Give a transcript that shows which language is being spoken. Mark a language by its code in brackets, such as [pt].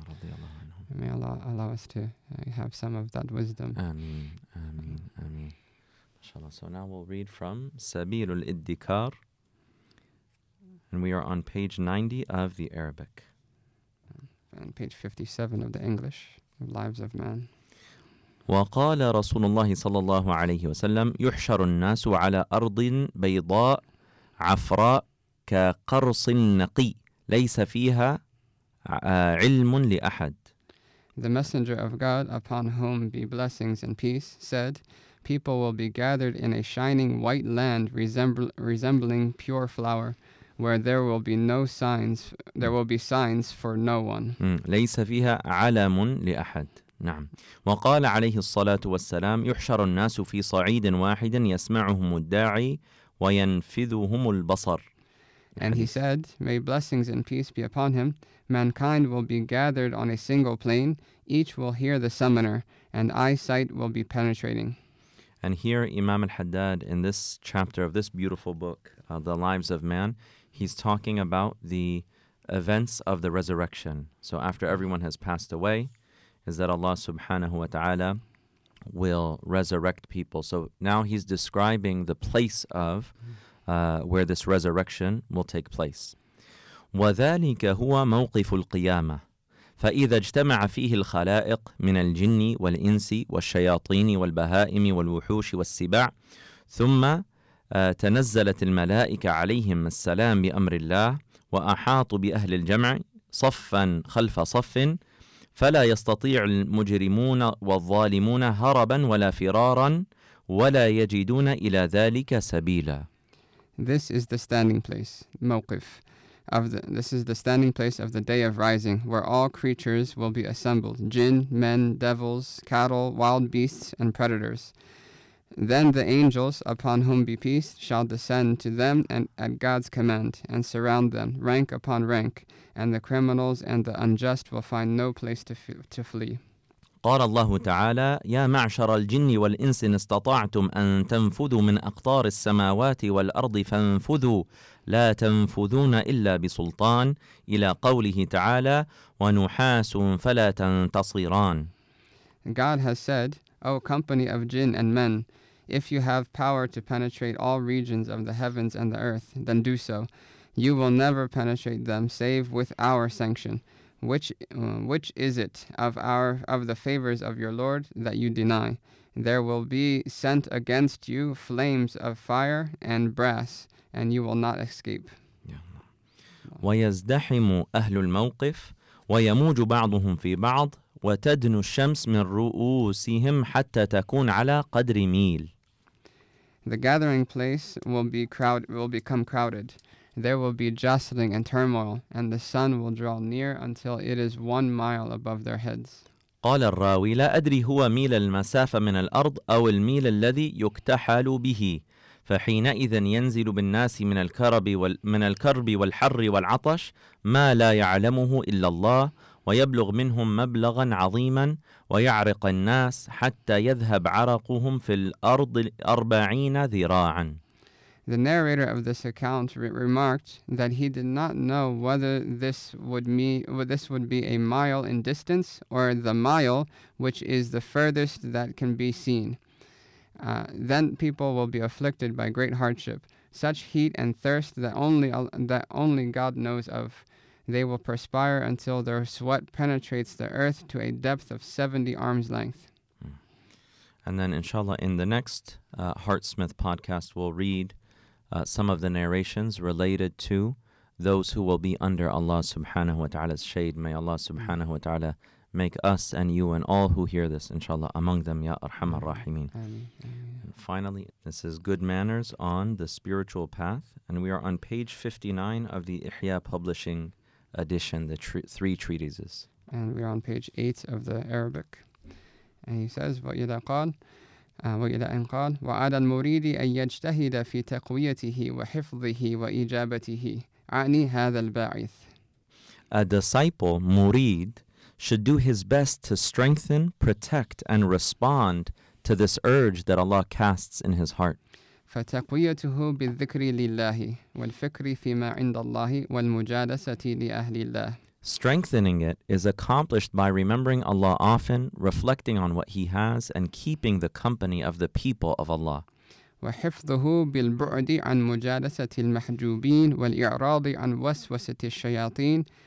[en] Mm-hmm. May Allah allow us to have some of that wisdom. Ameen, ameen, ameen. MashaAllah. So now we'll read from Sabirul Iddikar. And we are on page 90 of the Arabic. And page 57 of the English, Lives of Man. [ar] وقال رسول الله صلى الله عليه وسلم يحشر الناس على أرض بيضاء عفراء كقرص نقي ليس فيها علم لأحد. [en] The Messenger of God, upon whom be blessings and peace, said, people will be gathered in a shining white land resembling pure flour, where there will be no signs, there will be signs for no one. [ar] ليس فيها علم لأحد. نعم. وقال عليه الصلاة والسلام يحشر الناس في صعيد واحد يسمعهم الداعي وينفذهم البصر. [en] And he said, may blessings and peace be upon him, mankind will be gathered on a single plain, each will hear the summoner, and eyesight will be penetrating. And here Imam al-Haddad, in this chapter of this beautiful book, The Lives of Man, he's talking about the events of the resurrection. So after everyone has passed away, is that Allah subhanahu wa ta'ala will resurrect people. So now he's describing the place of where this resurrection will take place. [ar] وَذَلِكَ هُوَ مَوْقِفُ الْقِيَامَةِ فَإِذَا اجْتَمَعَ فِيهِ الْخَلَائِقِ مِنَ الْجِنِّ وَالْإِنسِ وَالشَّيَاطِينِ وَالْبَهَائِمِ وَالْوُحُوشِ وَالسِّبَعِ ثُمَّ تنزلت الملائكة عليهم السلام بأمر الله وأحاط بأهل الجمع صفا خلف صف فلا يستطيع المجرمون والظالمون هربا ولا فرارا ولا يجدون إلى ذلك سبيلا. [en] This is the standing place, موقف. This is the standing place of the day of rising, where all creatures will be assembled, jinn, men, devils, cattle, wild beasts, and predators. Then the angels, upon whom be peace, shall descend to them and at God's command, and surround them, rank upon rank, and the criminals and the unjust will find no place to flee. [ar] قال الله تعالى يا معشر الجن والإنس إن استطعتم أن تنفذوا من أقطار السماوات والأرض فانفذوا لا تنفذون إلا بسلطان إلى قوله تعالى ونحاس فلا تنتصران. [en] God has said, O company of jinn and men, if you have power to penetrate all regions of the heavens and the earth, then do so. You will never penetrate them save with our sanction. Which is it of the favors of your Lord that you deny? There will be sent against you flames of fire and brass, and you will not escape. [ar] ويزدحم أهل الموقف ويموج بعضهم في بعض وتدنو الشمس من رؤوسهم حتى تكون على قدر ميل. [en] The gathering place will become crowded. There will be jostling and turmoil, and the sun will draw near until it is 1 mile above their heads. [ar] قال الراوي لا أدري هو ميل المسافة من الأرض أو الميل الذي يكتحل به، فحينئذ ينزل بالناس من الكرب والحر والعطش ما لا يعلمه إلا الله، ويبلغ منهم مبلغا عظيما، ويعرق الناس حتى يذهب عرقهم في الأرض 40 ذراعا. [en] The narrator of this account remarked that he did not know whether this would be a mile in distance or the mile, which is the furthest that can be seen. Then people will be afflicted by great hardship, such heat and thirst that only God knows of. They will perspire until their sweat penetrates the earth to a depth of 70 arms length. And then inshallah in the next Heartsmith podcast we'll read some of the narrations related to those who will be under Allah subhanahu wa ta'ala's shade. May Allah subhanahu wa ta'ala make us and you and all who hear this, inshallah, among them, [ar] ya arhamar rahimin. [en] And finally, this is Good Manners on the Spiritual Path, and we are on page 59 of the Ihya Publishing Edition, the three treatises. And we are on page 8 of the Arabic. And he says, [ar] وَإِذَا قَالَ وإلى أن قال وعلى المريد أن يجتهد في تقويته وحفظه وإجابته عني هذا الباعث. [en] A disciple, murid, should do his best to strengthen, protect, and respond to this urge that Allah casts in his heart. [ar] فتقويته بالذكر لله والفكر فيما عند الله والمجالسة لأهل الله. [en] Strengthening it is accomplished by remembering Allah often, reflecting on what He has, and keeping the company of the people of Allah. [ar] وَحِفْظُهُ بِالْبُعْدِ عَنْ مُجَالَسَةِ الْمَحْجُوبِينَ وَالْإِعْرَاضِ عَنْ وَسْوَسَةِ الشَّيَاطِينَ.